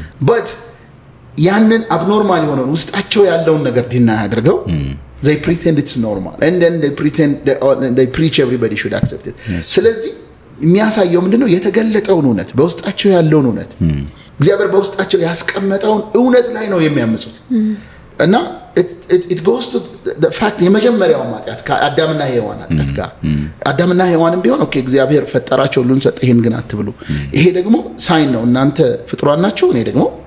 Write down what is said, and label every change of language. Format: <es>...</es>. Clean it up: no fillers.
<en>But</en> <am>ያንን abnormal የሆነውን ውስጣቸው ያለውን ነገር ዲና ያደርገው</am> <en>they pretend it's normal. And then they preach everybody should accept it.</en> <am>ስለዚህ የሚያሳየው ምንድነው የተገለጠውን እውነት በውስጣቸው ያለውን እውነት እግዚአብሔር በውስጣቸው ያስቀመጠውን እውነት ላይ ነው የሚያመጹት። እና</am> <en>it goes to the fact</en> <am>የመጀመሪያው ማጥያት ከአዳምና ሔዋን አጥያት ጋር አዳምና ሔዋንም ቢሆን ኦኬ እግዚአብሔር ፈጠራቸው ሁሉን ሰጠ ይሄን ግን አትብሉ ይሄ ደግሞ ሳይን ነው እናንተ ፍጥሯን ናችሁ እኔ ደግሞ</am>